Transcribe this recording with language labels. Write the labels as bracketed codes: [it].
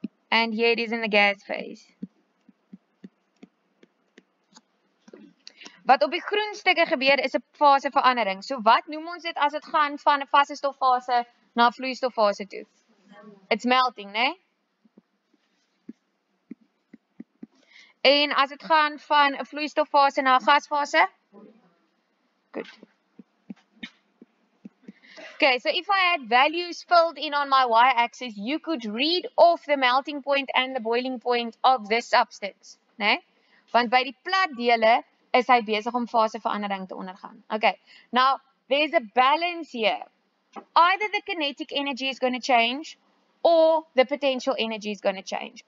[en] And here it is in the gas phase. [af] Wat op die groen stukke gebeur is 'n faseverandering. So wat noem ons dit as dit gaan van 'n vaste stoffase na vloeistoffase toe? [en] It's melting, [af] né? En as dit gaan van 'n vloeistoffase na 'n gasfase? [en] Good. Okay, so if I had values filled in on my y-axis, you could read off the melting point and the boiling point of this substance, né? [af] Want by die plat dele is hy besig om faseverandering te ondergaan. Okay. [en] Now, there's a balance here. Either the kinetic energy is going to change or the potential energy is going to change.